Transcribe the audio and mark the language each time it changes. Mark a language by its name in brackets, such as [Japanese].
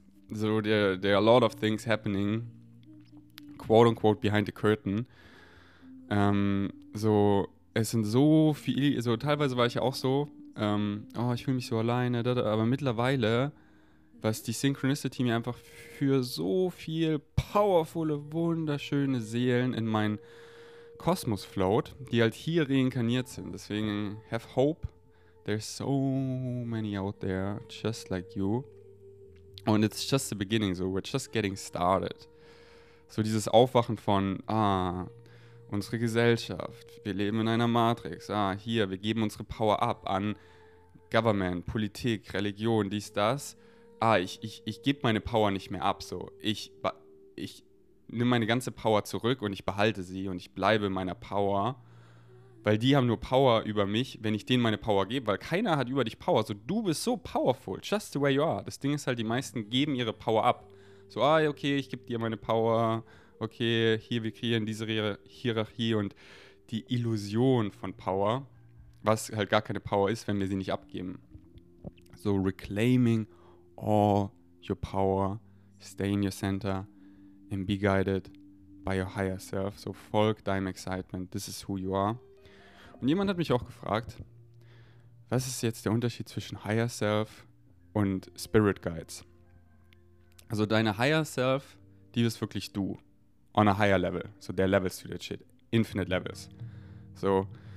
[English] So, there are a lot of things happening, quote unquote, behind the curtain. [German] So, es sind so viele, so teilweise war ich auch so, ich fühle mich so alleine, aber mittlerweile, was die Synchronicity mir einfach für so viel powervolle, wunderschöne Seelen in meinen Kosmos float, die halt hier reinkarniert sind. [English] Deswegen, have hope. There's so many out there, just like you. And it's just the beginning, so we're just getting started. [German] So dieses Aufwachen von, unsere Gesellschaft, wir leben in einer Matrix, hier, wir geben unsere Power ab an Government, Politik, Religion, dies, das. Ich gebe meine Power nicht mehr ab, so. Ich nehme meine ganze Power zurück und ich behalte sie und ich bleibe meiner Power, weil die haben nur Power über mich, wenn ich denen meine Power gebe, weil keiner hat über dich Power, so, du bist so powerful, [English] just the way you are. [German] Das Ding ist halt, die meisten geben ihre Power ab. So, okay, ich gebe dir meine Power, okay, hier, wir kreieren diese Hierarchie und die Illusion von Power, was halt gar keine Power ist, wenn wir sie nicht abgeben. [English] So, reclaiming all your power, stay in your center and be guided by your higher self. So, [German] folg deinem excitement, [English] this is who you are. [German] Und jemand hat mich auch gefragt, was ist jetzt der Unterschied zwischen Higher Self und Spirit Guides? Also deine Higher Self, die bist wirklich du. [English] On a higher level. So der Levels to that shit. Infinite Levels. So.